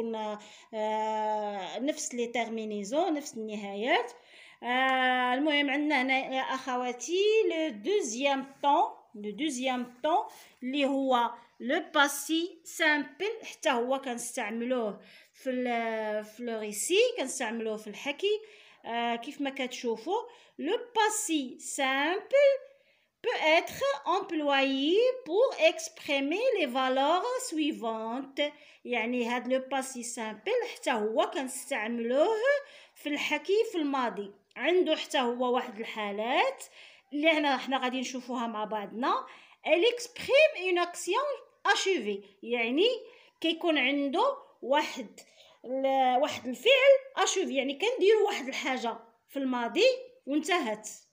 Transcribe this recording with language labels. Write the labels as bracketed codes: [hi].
[ar] قلنا نفس لي تيرمينيزون، نفس النهايات. المهم عندنا هنا يا اخواتي لو دوزيام طون، لو دوزيام طون لي هو لو باسي سامبل، حتى هو كنستعملوه في لو ريسي، كنستعملوه في الحكي. كيف ما كتشوفوا [fr] لو باسي سامبل peut être employé pour exprimer les valeurs suivantes. [ar] يعني هاد لو باسي سامبل حتى هو كنستعملوه في الحكي في الماضي، عنده حتى هو واحد الحالات اللي هنا حنا غادي نشوفوها مع بعضنا. [fr] il exprime une action achevée، [ar] يعني كيكون عنده واحد الفعل اشوفي، يعني كنديروا واحد الحاجه في الماضي وانتهت.